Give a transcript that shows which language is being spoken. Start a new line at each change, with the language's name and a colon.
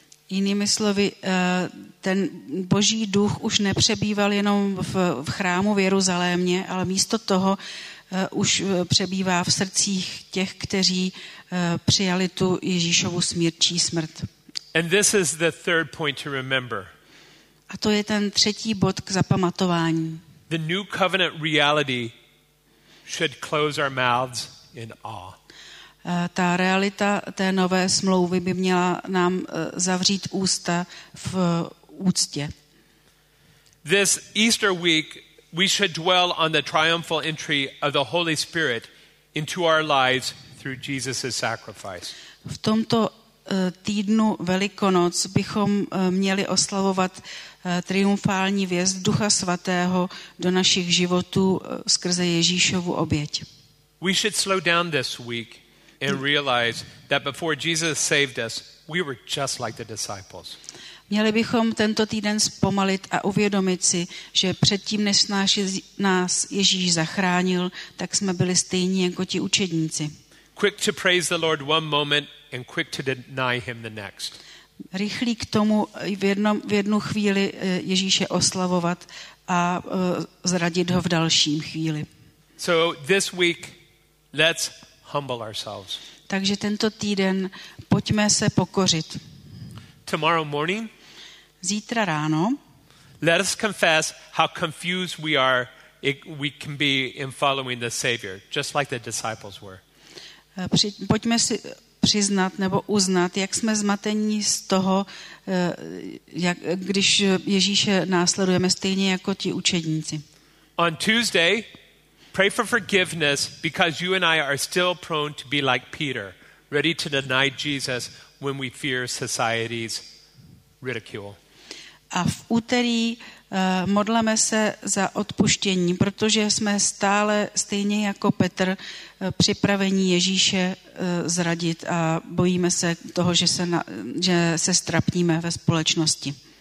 Czech: Jinými slovy, ten Boží duch už nepřebýval jenom v chrámu v Jeruzalémě, ale místo toho už přebývá v srdcích těch, kteří přijali tu Ježíšovu smírčí smrt.
English: And this is the third point to remember.
Czech: A to je ten třetí bod k zapamatování.
English: The new covenant reality should close our mouths in awe.
Czech: Ta realita té nové smlouvy by měla nám zavřít ústa v úctě.
English: This Easter week we should dwell on the triumphal entry of the Holy Spirit into our lives through Jesus's sacrifice.
Czech: V tomto týdnu Velikonoc bychom měli oslavovat triumfální vjezd Ducha Svatého do našich životů skrze Ježíšovu oběť.
English: We should slow down this week and realize that before Jesus saved us, we were just like the disciples.
Czech: Měli bychom tento týden zpomalit a uvědomit si, že předtím, než nás Ježíš zachránil, tak jsme byli stejní jako ti učedníci.
English: Quick to praise the Lord one moment and quick to deny him the next.
Czech: Rychlí k tomu v jednu chvíli Ježíše oslavovat a zradit ho v další chvíli.
English: So this week let's humble ourselves.
Czech: Takže tento týden pojďme se pokořit.
English: Tomorrow morning,
Czech: zítra ráno,
English: let us confess how confused we can be in following the Savior, just like the disciples were.
Czech: Pojďme si přiznat nebo uznat, jak jsme zmatení z toho, jak když Ježíše následujeme stejně jako ti učedníci.
English: On Tuesday, pray for forgiveness because you and I are still prone to be like Peter, ready to deny Jesus when we fear society's ridicule.
Czech: A v úterý modleme se za odpuštění, protože jsme stále stejně jako Petr připraveni Ježíše zradit a bojíme se toho, že se ztrapníme ve společnosti.